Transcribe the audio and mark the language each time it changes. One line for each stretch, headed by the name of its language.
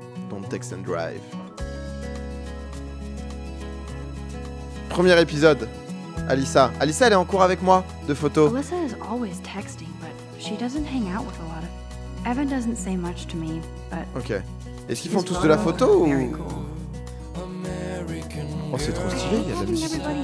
English: Don't text and drive.
French: Premier épisode. Alyssa. Alyssa, elle est en cours avec moi de photo.
English: Alyssa is always texting, but she doesn't hang out with a lot of. Evan doesn't say much to me, but.
French: Ok. Est-ce qu'ils font tous de la photo ou. Cool. Oh, c'est trop stylé, il y a de la musique.